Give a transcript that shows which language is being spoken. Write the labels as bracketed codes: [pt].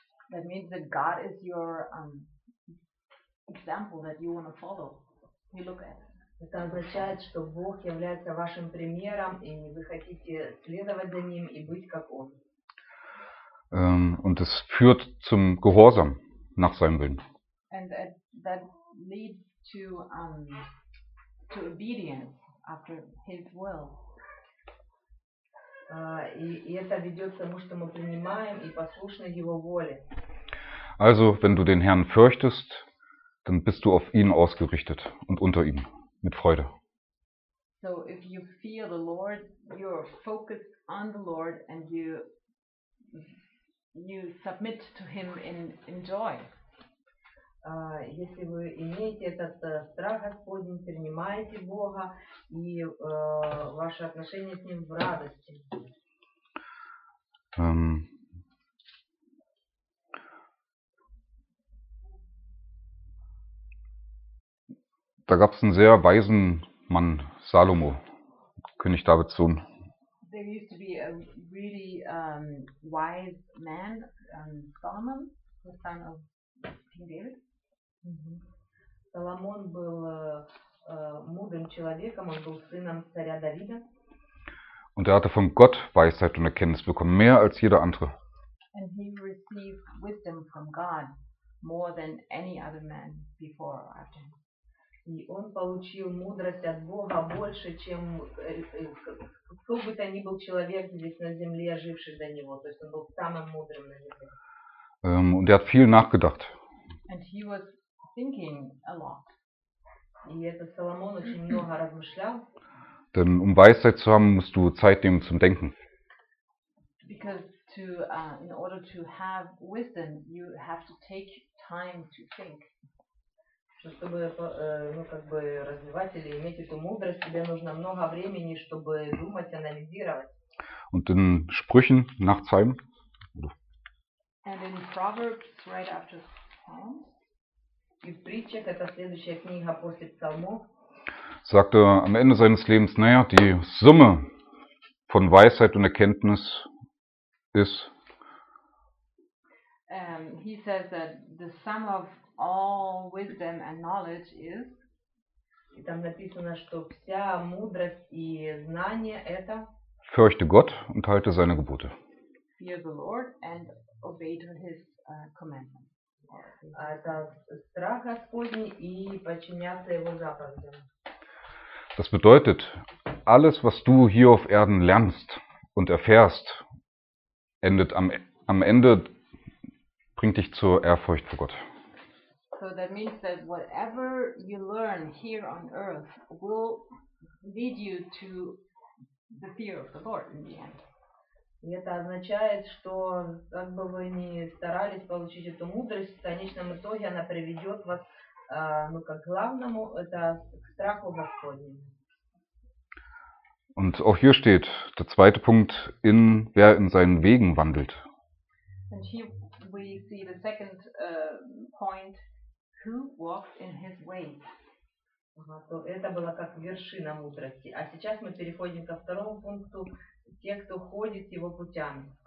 [en] That means that God is your example that you want to follow. You look at. [ru] Это означает, что Бог является вашим примером, и вы хотите следовать за ним и быть как он. [de] Und es führt zum Gehorsam nach seinem Willen. [en] And that leads to obedience after his will. [ru] И это ведет к тому, что мы принимаем и послушны Его воле. [de] Also, wenn du den Herrn fürchtest, dann bist du auf ihn ausgerichtet und unter ihm, mit Freude. [en] So, if you fear the Lord, you're focused on the Lord and you submit to him in joy. [ru] Если вы имеете этот страх Господень, принимаете Бога и ваши отношения с Ним в радости. [de] Da gab es einen sehr weisen Mann, Salomo, König Davids Sohn. [en] There used to be a really wise man, Solomon, the son of King David. [ru] Соломон был мудрым человеком, он был сыном царя Давида. [de] Und er hatte von Gott Weisheit und Erkenntnis bekommen, mehr als jeder andere. [en] And he received wisdom from God more than any other man before or after him. [ru] И он получил мудрость от Бога больше, чем кто бы то ни был человек здесь на земле, живший до него. То есть он был самым мудрым на земле. [de] Und er hat viel nachgedacht. [en] And he was thinking a lot. [ru] И этот Соломон очень много размышлял. [de] Denn um Weisheit zu haben, musst du Zeit nehmen zum Denken. [en] Because to, in order to have wisdom, you have to take time to think. [ru] Чтобы развивать или иметь эту мудрость, тебе нужно много времени, чтобы думать, анализировать. [de] Und in Sprüchen nach Psalm. [en] And in Proverbs, right after Psalms. [ru] И в Притчах, это следующая книга после Псалмов. [de] Sagte am Ende seines Lebens, naja, die Summe von Weisheit und Erkenntnis ist. [en] He says that the sum of all wisdom and knowledge is. [ru] Там написано, что вся мудрость и знание это. [de] Fürchte Gott und halte seine Gebote. [en] Fear the Lord and obey his commandments. [ru] Это страх Господний и подчиняться его заповедям. [de] Das bedeutet, alles, was du hier auf Erden lernst und erfährst, endet am Ende, bringt dich zur Ehrfurcht vor Gott. [en] So that means that whatever you learn here on earth will lead you to the fear of the Lord in the end. [ru] И это означает, что как бы вы ни старались получить эту мудрость, в конечном итоге она приведет вас как главному, это к страху Господнему. [de] Und auch hier steht der zweite Punkt, in wer in seinen Wegen wandelt. [en] And here we see the second point, who walks in his ways. [ru] So, это было как вершина мудрости. А сейчас мы переходим ко второму пункту, те, кто ходит его путями.